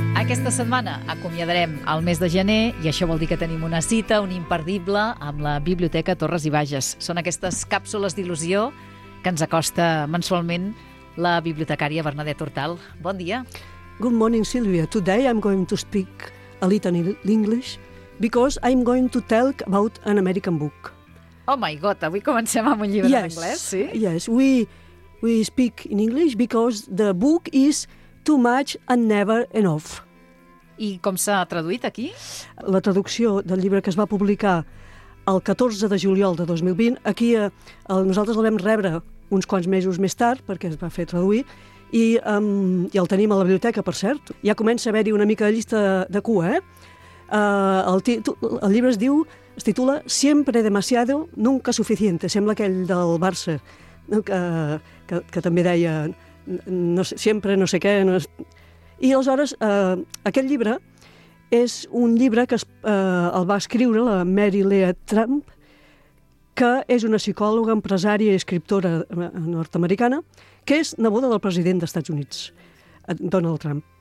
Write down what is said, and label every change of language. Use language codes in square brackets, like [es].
[ca] aquesta setmana acomiadarem el mes de gener i això vol dir que tenim una cita, un imperdible, amb la Biblioteca Torres i Bages. Són aquestes càpsules d'il·lusió que ens acosta mensualment la bibliotecària Bernadette Hortal. Bon dia. [en] Good morning, Sylvia. Today I'm going to speak a little English because I'm going to talk about an American book. Oh my God, [ca] avui comencem amb un llibre [en] yes. [ca] d'anglès, sí? [en] Yes, we speak in English because the book is Too Much and Never Enough. [ca] I com s'ha traduït aquí? La traducció del llibre que es va publicar el 14 de juliol de 2020, aquí nosaltres el vam rebre uns quants mesos més tard, perquè es va fer traduir, i el tenim a la biblioteca, per cert. Ja comença a haver-hi una mica de llista de cua, eh? El llibre es titula Siempre Demasiado, Nunca Suficiente. Sembla aquell del Barça, que també deia no sé, sempre no sé què. No és... I aleshores, aquest llibre és un llibre que el va escriure la Mary Lea Trump, que és una psicòloga, empresària i escriptora nord-americana, que és neboda del president d'Estats Units, Donald Trump.